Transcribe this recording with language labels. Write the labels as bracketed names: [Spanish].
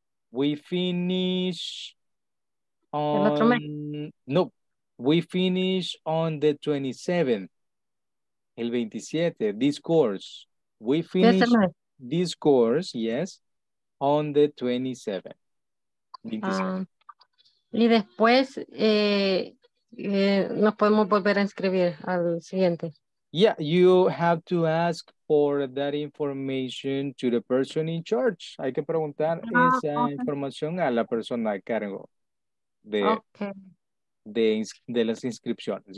[English] We finish on the 27th. [Spanish] El 27, [English] this course. We finish this course, yes, on the 27th. [Spanish] Y después nos podemos volver a inscribir al siguiente. [English] Yeah, you have to ask for that information to the person in charge. [Spanish] Hay que preguntar información a la persona a cargo de las inscripciones.